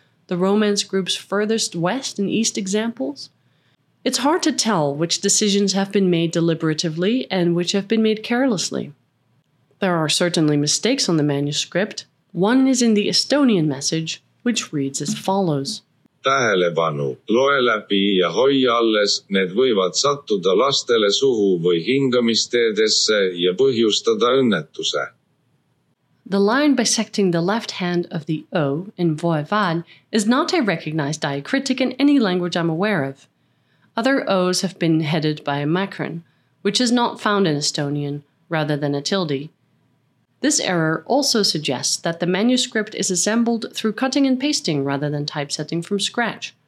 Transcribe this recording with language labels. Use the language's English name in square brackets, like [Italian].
[English] The Romance group's furthest west and east examples? It's hard to tell which decisions have been made deliberatively and which have been made carelessly. There are certainly mistakes on the manuscript. One is in the Estonian message, which reads as follows. [Estonian] Tähelepanu, loe läbi ja hoi alles, need võivad sattuda lastele suhu või hingamisteedesse ja põhjustada õnnetuse. [English] The line bisecting the left hand of the O in voivod is not a recognized diacritic in any language I'm aware of. Other O's have been headed by a makron, which is not found in Estonian, rather than a tilde. This error also suggests that the manuscript is assembled through cutting and pasting rather than typesetting from scratch.